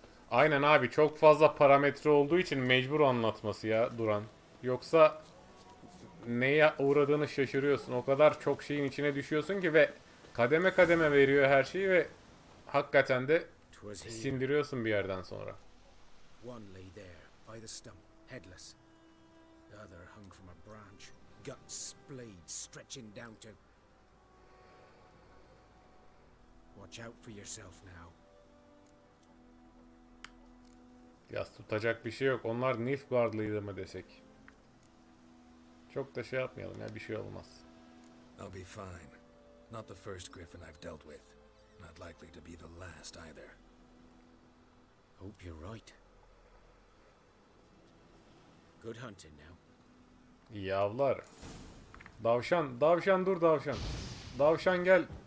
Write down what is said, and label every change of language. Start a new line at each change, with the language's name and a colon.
Turkish: Aynen abi, çok fazla parametre olduğu için mecbur anlatması ya Duran. Yoksa neye uğradığını şaşırıyorsun. O kadar çok şeyin içine düşüyorsun ki ve kademe kademe veriyor her şeyi ve hakikaten de sindiriyorsun bir yerden sonra.
English: One lay there by the stump, headless. The other hung from a branch, guts splayed, stretching down to. Watch out for yourself now.
Turkish: Yas tutacak bir şey yok. Onlar Nilfgaardlıydı mı desek? Çok da şey yapmayalım ya, bir şey olmaz.
English: I'll be fine. Not the first griffin I've dealt with. Not likely to be the last either. Hope you're right. Good hunting now.
Turkish: İyi avlar. Davşan, davşan, dur davşan. Davşan gel.